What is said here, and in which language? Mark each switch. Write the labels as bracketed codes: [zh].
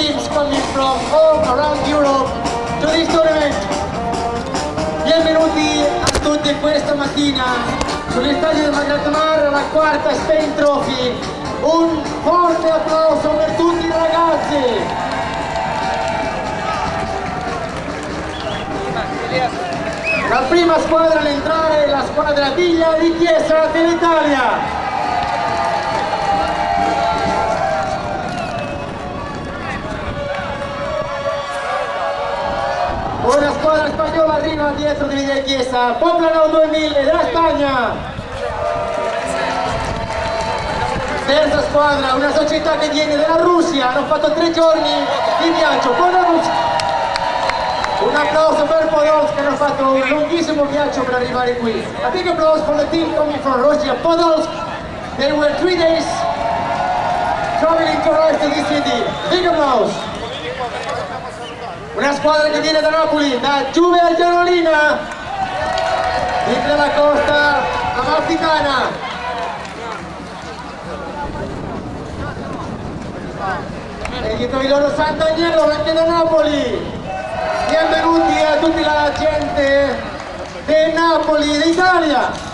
[en] coming from all around Europe to this tournament. [it] Benvenuti a tutti questa mattina sulle stadio del Magratamar, la quarta Spain Trophy. Un forte applauso per tutti i ragazzi. La prima squadra ad entrare è la squadra Villa di Chiesa dell'Italia. Una squadra spagnola arriva dietro di Villa di Chiesa, Poblenou 2000 della Spagna. Terza squadra, una società che viene dalla Russia, hanno fatto tre giorni di viaggio, Podolska. Un applauso per Podolska, hanno fatto un lunghissimo viaggio per arrivare qui. [en] A big applause for the team coming from Russia, Podolska. They were 3 days traveling to arrive to this city. Big applause. [it] Una squadra che viene da Napoli, da Juve al Gianolina, di della costa amalfitana. E dietro di loro Sant'Agnello, anche da Napoli. Benvenuti a tutta la gente di Napoli, d'Italia.